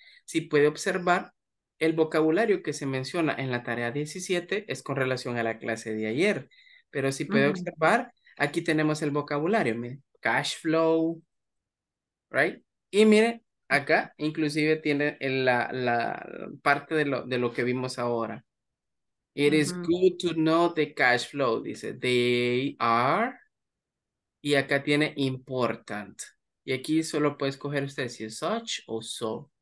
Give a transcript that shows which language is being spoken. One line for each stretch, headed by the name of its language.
Spanish: Si puede observar, el vocabulario que se menciona en la tarea 17 es con relación a la clase de ayer. Pero si puede observar, aquí tenemos el vocabulario, mire, cash flow, right? Y mire, Acá inclusive tiene la parte de lo que vimos ahora.
English: It is good to know the cash flow, dice. They are.
Spanish: Y acá tiene important. Y aquí solo puede escoger usted si es such o so.